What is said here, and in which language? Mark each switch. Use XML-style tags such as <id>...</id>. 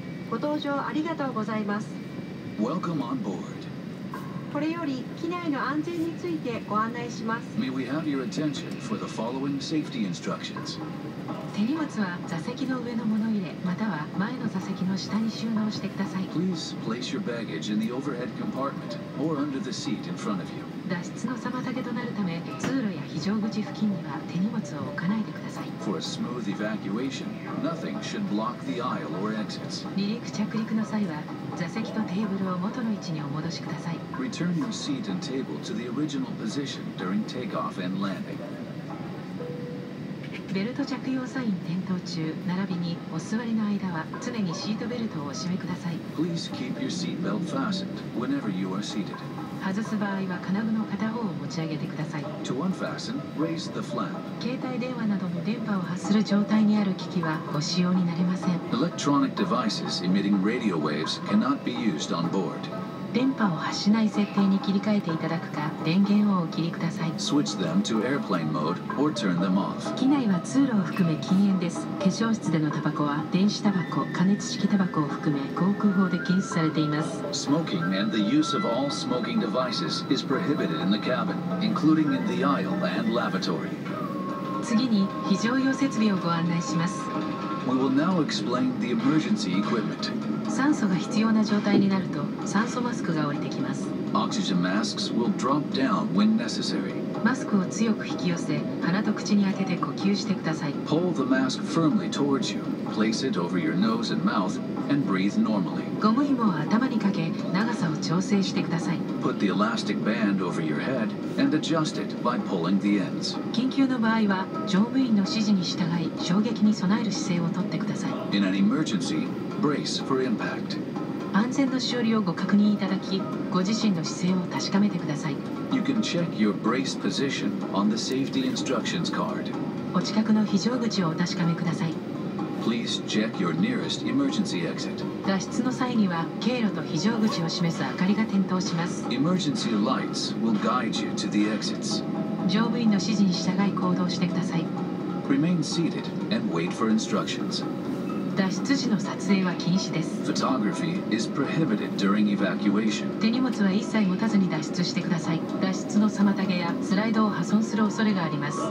<ja>ご搭乗ありがとうございます。</ja> <en>Welcome on board.</en> <ja>これより機内の安全についてご案内します。</ja> <en>May we have your attention for the following safety instructions.</en> <ja>手荷物は座席の上の物入れまたは前の座席の下に収納してください。</ja> <en>Please place your baggage in the overhead compartment or under the seat in front of you.</en> <ja>脱出の妨げとなるため通路や非常口付近には手荷物を置かないでください。</ja> <en>For a smooth evacuation, nothing should block the aisle or exits.</en> <ja>離陸着陸の際は座席とテーブルを元の位置にお戻しください。</ja> <en>Return your seat and table to the original position during takeoff and landing.</en> <ja>ベルト着用サイン点灯中並びにお座りの間は常にシートベルトをお締めください。</ja> <en>Please keep your seat belt fastened whenever you are seated.</en> <ja>外す場合は金具の片方を持ち上げてください。</ja> <en>To unfasten, raise the flap.</en> <ja>携帯電話などの電波を発する状態にある機器はご使用になれません。</ja> <en>Electronic devices emitting radio waves cannot be used on board.</en> <ja>電波を発しない設定に切り替えていただくか電源をお切りください。</ja> <en>Switch them to airplane mode or turn them off.</en> <ja>機内は通路を含め禁煙です。化粧室でのタバコは電子タバコ、加熱式タバコを含め航空法で禁止されています。</ja> <en>Smoking and the use of all smoking devices is prohibited in the cabin, including in the aisle and lavatory.</en> <ja>次に非常用設備をご案内します。</ja> <en>We will now explain the emergency equipment.</en> <ja>酸素が必要な状態になると酸素マスクが降りてきます。</ja> <en>Oxygen masks will drop down when necessary.</en> <ja>マスクを強く引き寄せ鼻と口に当てて呼吸してください。</ja> <en>Pull the mask firmly towards you. Place it over your nose and mouth and breathe normally.</en> <ja>ゴム紐を頭にかけ長さを調整してください。</ja> <en>Put the elastic band over your head and adjust it by pulling the ends.</en> <ja>緊急の場合は乗務員の指示に従い衝撃に備える姿勢をとってください。</ja> <en>In an emergency, brace for impact.</en> <ja>安全の修理をご確認いただきご自身の姿勢を確かめてください。</ja> <en>You can check your brace position on the safety instructions card.</en> <ja>お近くの非常口をお確かめください。</ja> <en>Please check your nearest emergency exit.</en> <ja>脱出の際には経路と非常口を示す明かりが点灯します。</ja> <en>Emergency lights will guide you to the exits.</en> <ja>乗務員の指示に従い行動してください。</ja> <en>Remain seated and wait for instructions.</en> <ja>脱出時の撮影は禁止です。</ja> <en>Photography is prohibited during evacuation.</en> <ja>手荷物は一切持たずに脱出してください。脱出の妨げやスライドを破損する恐れがあります。</ja>